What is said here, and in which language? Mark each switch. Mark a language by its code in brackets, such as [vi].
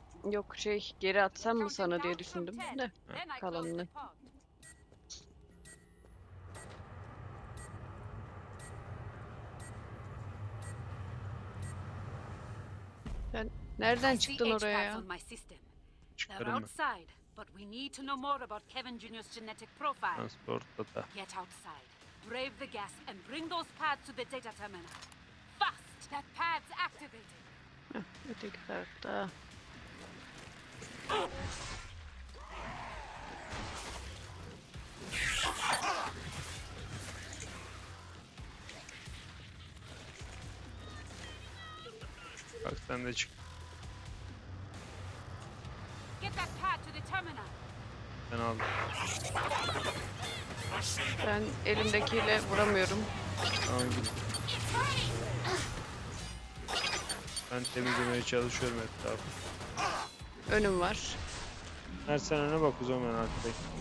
[tr] Yok şey geri atsam mı sana diye düşündüm de kalanını. Sen nereden çıktın oraya ya? [en] They're outside. But we need to know more about Kevin Jr.'s genetic profile. Transport data. Get outside, brave the gas, and bring those pads to the data terminal. Fast! That pad's activated. I think that, [tr] Bak sen de çık. [en] Get that pad to the terminal. [tr] Ben aldım. Ben elimdekiyle vuramıyorum. Tamam git. Ben temizlemeye çalışıyorum etrafı. Önüm var. Her sen öne bak o zaman artık.